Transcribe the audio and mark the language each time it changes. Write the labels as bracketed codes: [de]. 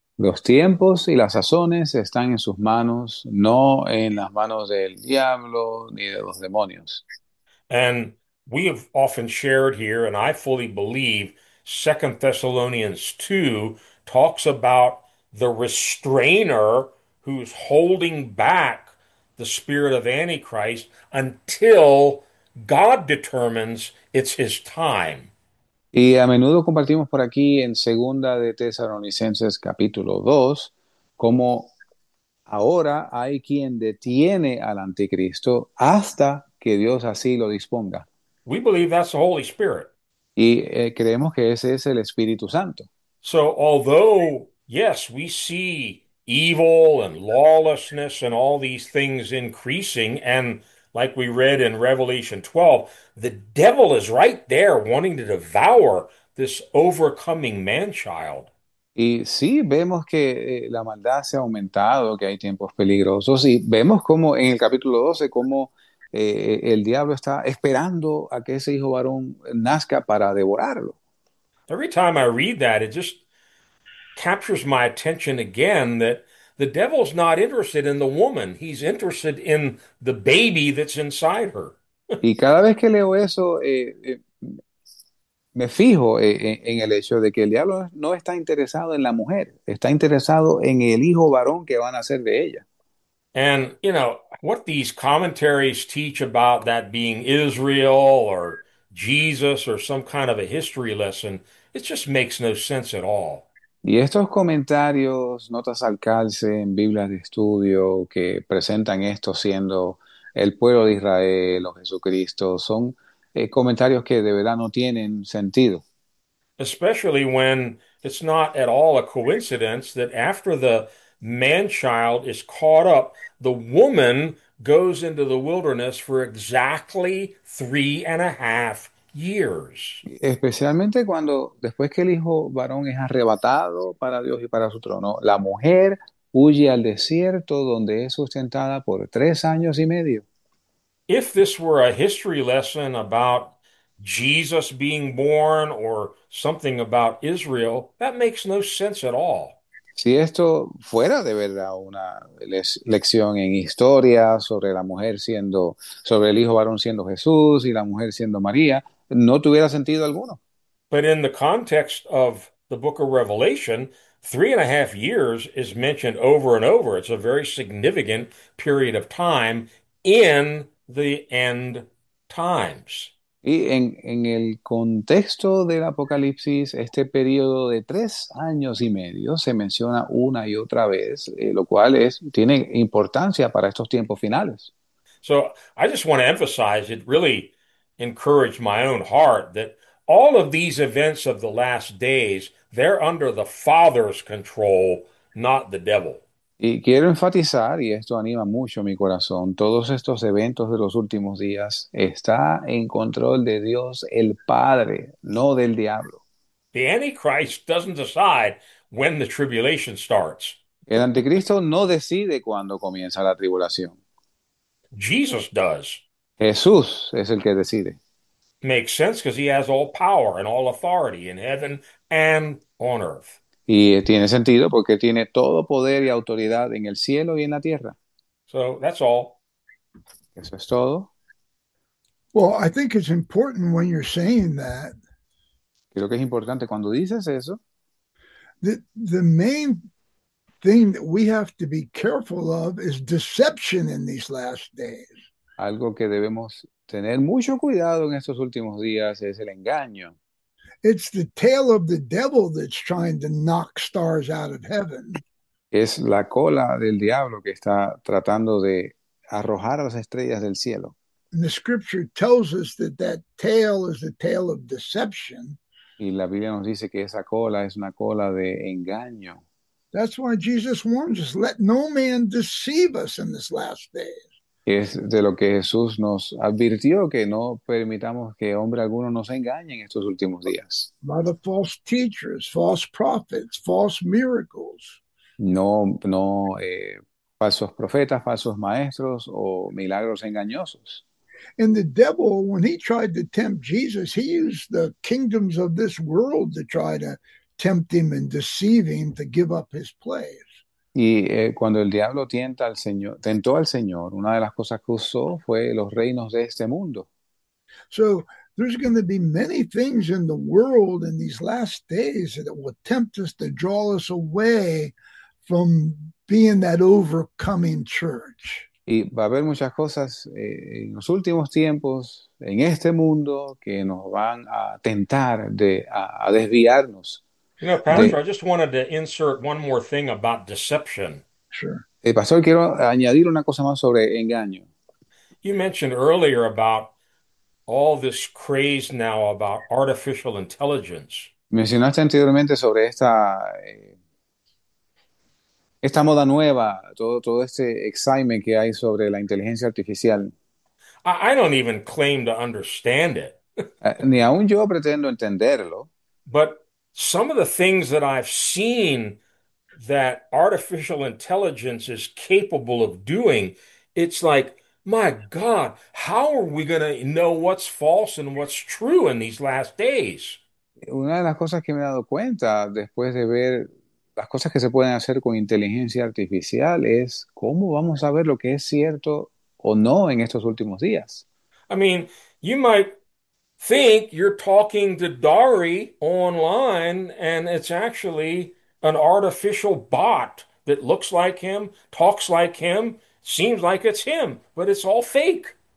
[es] Los tiempos y las sazones están en sus manos, no en las manos del diablo ni de los demonios. [en] And we have often shared here, and I fully believe 2 Thessalonians 2 talks about the restrainer who's holding back the spirit of Antichrist until God determines it's his time. [es] Y a menudo compartimos por aquí en Segunda de Tesalonicenses capítulo 2, cómo ahora hay quien detiene al anticristo hasta que Dios así lo disponga. [en] We believe that's the Holy Spirit. [es] Y creemos que ese es el Espíritu Santo. [en] So, although, yes, we see evil and lawlessness and all these things increasing, and like we read in Revelation 12, the devil is right there wanting to devour this overcoming man-child. [es] Y sí, vemos que la maldad se ha aumentado, que hay tiempos peligrosos, y vemos cómo en el capítulo 12, cómo el diablo está esperando a que ese hijo varón nazca para devorarlo. [en] Every time I read that, it just captures my attention again that the devil's not interested in the woman. He's interested in the baby that's inside her. [es] Y cada vez que leo eso, me fijo en el hecho de que el diablo no está interesado en la mujer, está interesado en el hijo varón que van a ser de ella. [en] And, what these commentaries teach about that being Israel or Jesus or some kind of a history lesson. It just makes no sense at all. [es] Y estos comentarios, notas al calce, en Biblias de estudio que presentan esto siendo el pueblo de Israel o Jesucristo, son comentarios que de verdad no tienen sentido. [en] Especially when it's not at all a coincidence that after the man child is caught up, the woman goes into the wilderness for exactly 3.5 years. [es] Especialmente cuando después que el hijo varón es arrebatado para Dios y para su trono, la mujer huye al desierto donde es sustentada por 3 años y medio. [en] If this were a history lesson about Jesus being born or something about Israel, that makes no sense at all. [es] Si esto fuera de verdad una lección en historia sobre la mujer siendo, sobre el hijo varón siendo Jesús y la mujer siendo María, no tuviera sentido alguno. [en] But in the context of the book of Revelation, 3.5 years is mentioned over and over. It's a very significant period of time in the end times. [es] Y en el contexto del Apocalipsis, este periodo de 3 años y medio se menciona una y otra vez, lo cual tiene importancia para estos tiempos finales. [en] So I just want to emphasize, it really encouraged my own heart that all of these events of the last days, they're under the Father's control, not the devil. [es] Y quiero enfatizar, y esto anima mucho mi corazón, todos estos eventos de los últimos días está en control de Dios el Padre, no del diablo. [en] The Antichrist doesn't decide when the tribulation starts. [es] El anticristo no decide cuándo comienza la tribulación. [en] Jesus does. [es] Jesús es el que decide. [en] Makes sense because he has all power and all authority in heaven and on earth. [es] Y tiene sentido porque tiene todo poder y autoridad en el cielo y en la tierra. [en] So that's all. [es] Eso es todo. [en] Well, I think it's important when you're saying that. [es] Creo que es importante cuando dices eso. [en] The main thing that we have to be careful of is deception in these last days. [es] Algo que debemos tener mucho cuidado en estos últimos días es el engaño. [en] It's the tail of the devil that's trying to knock stars out of heaven. [es] Es la cola del diablo que está tratando de arrojar a las estrellas del cielo. [en] And the scripture tells us that that tail is the tail of deception. [es] Y la Biblia nos dice que esa cola es una cola de engaño. [en] That's why Jesus warns us, let no man deceive us in this last days. [es] Es de lo que Jesús nos advirtió, que no permitamos que hombre alguno nos engañe en estos últimos días. [en] By the false teachers, false prophets, false miracles. [es] No, falsos profetas, falsos maestros o milagros engañosos. [en] And the devil, when he tried to tempt Jesus, he used the kingdoms of this world to try to tempt him and deceive him to give up his place. [es] Y cuando el diablo tienta al Señor, tentó al Señor, una de las cosas que usó fue los reinos de este mundo. [en] So there's going to be many things in the world in these last days that will tempt us to draw us away from being that overcoming church. [es] Y va a haber muchas cosas en los últimos tiempos, en este mundo, que nos van a tentar a desviarnos [en] Pastor, I [es] de. [en] just wanted to insert one more thing about deception. Sure. [es] Pastor, quiero añadir una cosa más sobre engaño. [en] You mentioned earlier about all this craze now about artificial intelligence. [es] Mencionaste anteriormente sobre esta moda nueva, todo este excitement que hay sobre la inteligencia artificial. [en] I don't even claim to understand it. [es] Ni aun yo pretendo entenderlo. [en] But some of the things that I've seen that artificial intelligence is capable of doing, it's like, my God, how are we going to know what's false and what's true in these last days? [es] Una de las cosas que me he dado cuenta después de ver las cosas que se pueden hacer con inteligencia artificial es cómo vamos a ver lo que es cierto o no en estos últimos días. [en] I mean, you might think you're talking to Dari online and it's actually an artificial bot that looks like him, talks like him, seems like it's him, but it's all fake.